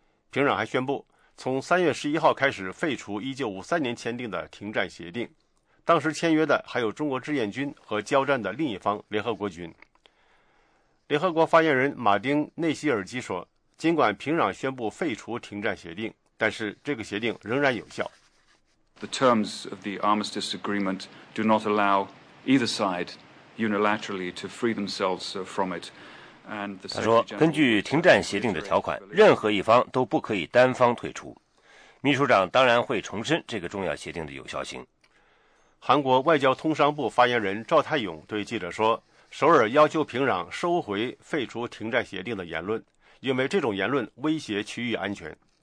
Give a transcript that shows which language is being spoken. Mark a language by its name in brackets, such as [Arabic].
[Chinese] 平壤还宣布从3月11号开始废除1953年签订的停战协定，当时签约的还有中国志愿军和交战的另一方联合国军。联合国发言人马丁·内希尔基说，尽管平壤宣布废除停战协定，但是这个协定仍然有效。 [English] The terms of the armistice agreement do not allow either side unilaterally to free themselves from it。 [Chinese] 他说，根据停战协定的条款，任何一方都不可以单方退出。秘书长当然会重申这个重要协定的有效性。韩国外交通商部发言人赵泰勇对记者说，首尔要求平壤收回废除停战协定的言论，因为这种言论威胁区域安全。